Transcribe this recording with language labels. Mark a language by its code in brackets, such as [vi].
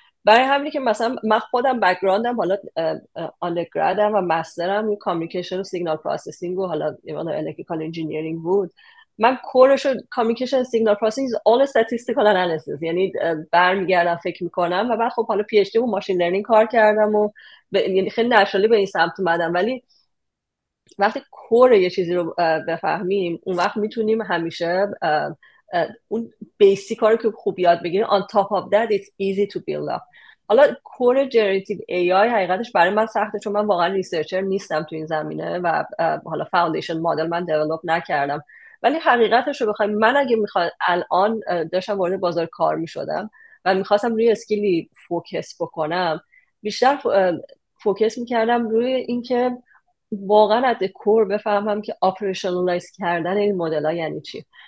[fa] برای همینی که مثلا من خودم بکگراندم حالا undergradم و مسترم کامیکیشن و سیگنال پروسسینگ و حالا الکتریکال انجینیرینگ بود، من کورش رو کامیکیشن سیگنال پروسسینگ all statistical analysis، یعنی برمیگردم فکر میکنم، و بعد خب حالا PhD و ماشین لرنینگ کار کردم و یعنی خیلی نشالی به این سمت اومدم. ولی وقتی کور یه چیزی رو بفهمیم، اون وقت میتونیم همیشه اون بیسیک ها رو که خوب یاد بگیریم. [en] On top of that it's easy to build up. [fa] حالا کور جنراتیو ای آی حقیقتش برای من سخته، چون من واقعا ریسرچر نیستم تو این زمینه و حالا فاوندیشن مدل من دیولپ نکردم. ولی حقیقتش رو بخوایم، من اگه میخواد الان داشتم وارد بازار کار میشدم و میخواستم روی اسکیلی فوکس بکنم، بیشتر فوکس میکردم روی اینکه واقعا از کور بفهمم که آپریشنالایز کردن این مدل ها یعنی چی.